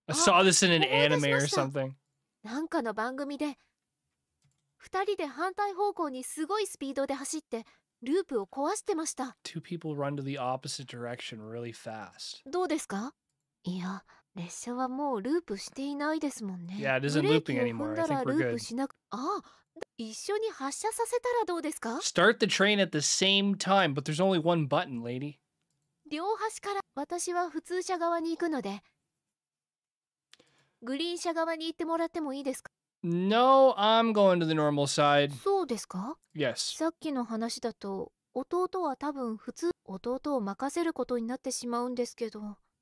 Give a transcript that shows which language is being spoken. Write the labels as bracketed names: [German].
[English] I saw this in an anime or something. [Japanese] なんかの番組で 2人で反対方向にすごいスピードで走ってループを壊してました。 [English] Two people run to the opposite direction really fast. [Japanese] どうですか? いや、列車はもうループしていないですもんね。 [English] Yeah, it isn't looping anymore. I think we're good. [Japanese] ループしなく、ああ、一緒に発車させたらどうですか? [English] Start the train at the same time, but there's only one button, lady. [Japanese] 両端から私は普通車側に行くので、グリーン車側に行ってもらってもいいですか? [English] No, I'm going to the normal side. [Japanese] そうですか? [English] Yes. [Japanese] さっきの話だと、弟は多分普通弟を任せることになってしまうんですけど。